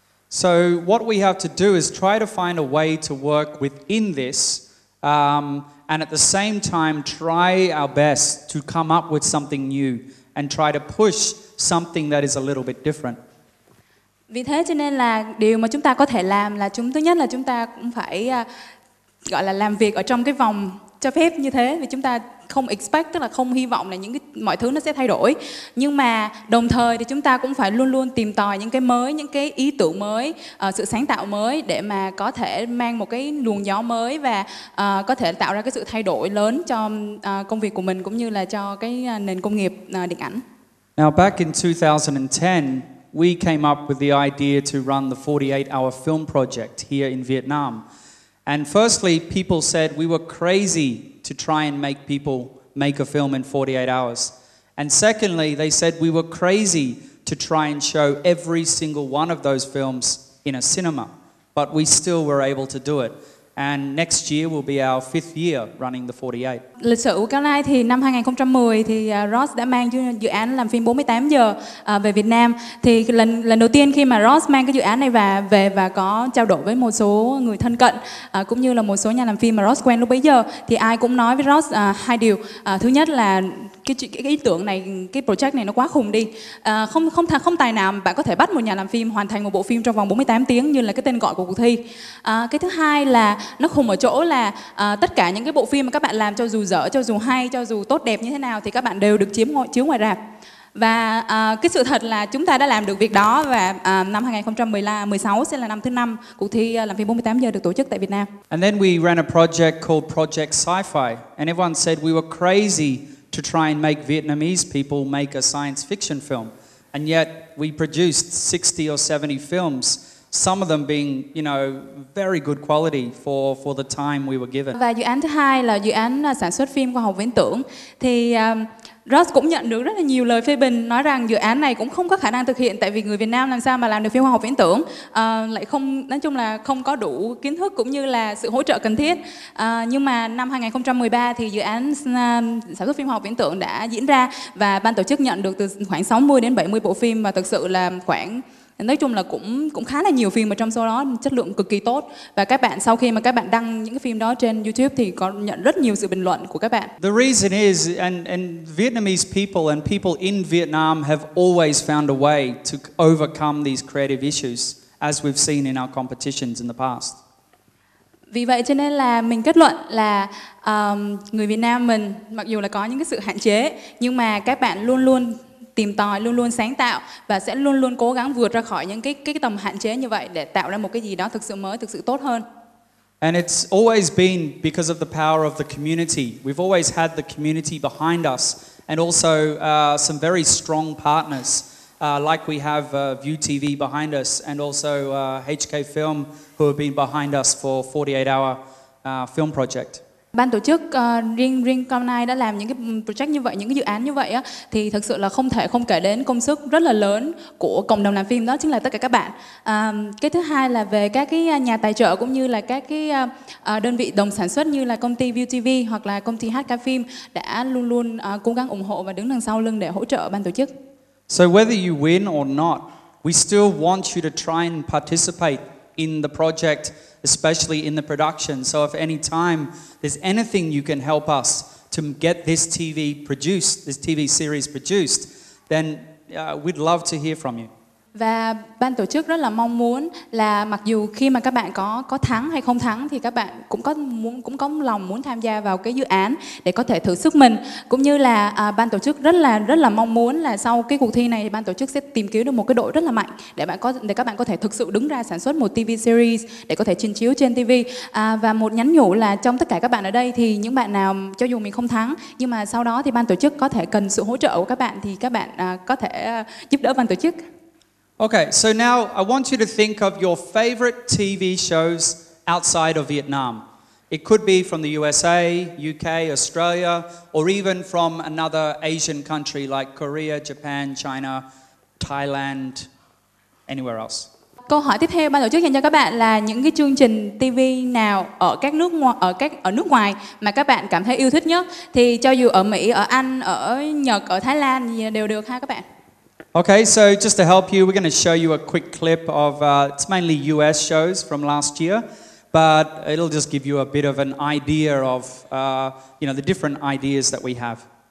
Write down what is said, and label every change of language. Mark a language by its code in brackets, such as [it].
[en] So what we have to do is try to find a way to work within this, and at the same time try our best to come up with something new and try to push something that is a little bit different. [vi] Vì thế cho nên là điều mà chúng ta có thể làm là thứ nhất là chúng ta cũng phải gọi là làm việc ở trong cái vòng cho phép như thế, vì chúng ta không expect, tức là không hy vọng là những cái mọi thứ nó sẽ thay đổi. Nhưng mà đồng thời thì chúng ta cũng phải luôn luôn tìm tòi những cái mới, những cái ý tưởng mới, sự sáng tạo mới để mà có thể mang một cái luồng gió mới và có thể tạo ra cái sự thay đổi lớn cho công việc của mình cũng như là cho cái nền công nghiệp điện ảnh. [en] Now back in 2010, we came up with the idea to run the 48-hour film project here in Vietnam. And firstly, people said we were crazy to try and make people make a film in 48 hours. And secondly, they said we were crazy to try and show every single one of those films in a cinema. But we still were able to do it. And next year will be our fifth year running the 48. [vi] Lịch sử của Cao thì năm 2010 thì Ross đã mang dự án làm phim 48 giờ về Việt Nam. Thì lần đầu tiên khi mà Ross mang cái dự án này về và có trao đổi với một số người thân cận cũng như là một số nhà làm phim mà Ross quen lúc bấy giờ, thì ai cũng nói với Ross hai điều. Thứ nhất là cái ý tưởng này, cái project này nó quá khủng đi. Không tài nào bạn có thể bắt một nhà làm phim hoàn thành một bộ phim trong vòng 48 tiếng như là cái tên gọi của cuộc thi. Cái thứ hai là nó khủng ở chỗ là tất cả những cái bộ phim mà các bạn làm, cho dù dở, cho dù hay, cho dù tốt đẹp như thế nào, thì các bạn đều được chiếu ngoài rạp. Và cái sự thật là chúng ta đã làm được việc đó, và năm 2016 sẽ là năm thứ năm cuộc thi làm phim 48 giờ được tổ chức tại Việt Nam. [en] And then we ran a project called Project Sci-Fi, and everyone said we were crazy to try and make Vietnamese people make a science fiction film. And yet we produced 60 or 70 films, some of them being, you know, very good quality for the time we were given. [vi] Và dự án thứ hai là dự án sản xuất phim khoa học viễn tưởng, thì Ross cũng nhận được rất là nhiều lời phê bình, nói rằng dự án này cũng không có khả năng thực hiện, tại vì người Việt Nam làm sao mà làm được phim khoa học viễn tưởng, lại không, nói chung là không có đủ kiến thức cũng như là sự hỗ trợ cần thiết. Nhưng mà năm 2013 thì dự án sản xuất phim khoa học viễn tưởng đã diễn ra, và ban tổ chức nhận được từ khoảng 60 đến 70 bộ phim, và thực sự là khoảng, nói chung là cũng khá là nhiều phim ở trong số đó, chất lượng cực kỳ tốt. Và các bạn, sau khi mà các bạn đăng những cái phim đó trên YouTube thì có nhận rất nhiều sự bình luận của các bạn. [en] The reason is, and Vietnamese people and people in Vietnam have always found a way to overcome these creative issues, as we've seen in our competitions in the past. [vi] Vì vậy cho nên là mình kết luận là người Việt Nam mình, mặc dù là có những cái sự hạn chế, nhưng mà các bạn luôn luôn tìm tòi, luôn luôn sáng tạo và sẽ luôn luôn cố gắng vượt ra khỏi những cái tầm hạn chế như vậy để tạo ra một cái gì đó thực sự mới, thực sự tốt hơn. [en] And it's always been because of the power of the community. We've always had the community behind us, and also some very strong partners, like we have VTC8 behind us, and also HK Film, who have been behind us for 48-hour film project. [vi] Ban tổ chức riêng Cao Nai đã làm những cái project như vậy, những cái dự án như vậy á, thì thực sự là không thể không kể đến công sức rất là lớn của cộng đồng làm phim, đó chính là tất cả các bạn. Cái thứ hai là về các cái nhà tài trợ cũng như là các cái đơn vị đồng sản xuất như là công ty VTV hoặc là công ty HK Film đã luôn luôn cố gắng ủng hộ và đứng đằng sau lưng để hỗ trợ ban tổ chức. [en] So whether you win or not, we still want you to try and participate in the project, especially in the production. So if any time there's anything you can help us to get this TV produced, this TV series produced, then we'd love to hear from you. [vi] Và ban tổ chức rất là mong muốn là mặc dù khi mà các bạn có thắng hay không thắng, thì các bạn cũng có lòng muốn tham gia vào cái dự án để có thể thử sức mình, cũng như là ban tổ chức rất là mong muốn là sau cái cuộc thi này ban tổ chức sẽ tìm kiếm được một cái đội rất là mạnh để các bạn có thể thực sự đứng ra sản xuất một TV series để có thể trình chiếu trên TV. Và một nhắn nhủ là trong tất cả các bạn ở đây, thì những bạn nào cho dù mình không thắng nhưng mà sau đó thì ban tổ chức có thể cần sự hỗ trợ của các bạn, thì các bạn có thể giúp đỡ ban tổ chức. [en] Okay, so now I want you to think of your favorite TV shows outside of Vietnam. It could be from the USA, UK, Australia, or even from another Asian country like Korea, Japan, China, Thailand, anywhere else. [vi] Câu hỏi tiếp theo ban tổ chức dành cho các bạn là những cái chương trình TV nào ở nước ngoài mà các bạn cảm thấy yêu thích nhất? Thì cho dù ở Mỹ, ở Anh, ở Nhật, ở Thái Lan gì đều được ha các bạn. [en] Okay, so just to help you, we're going to show you a quick clip of, it's mainly US shows from last year, but it'll just give you a bit of an idea of, you know, the different ideas that we have.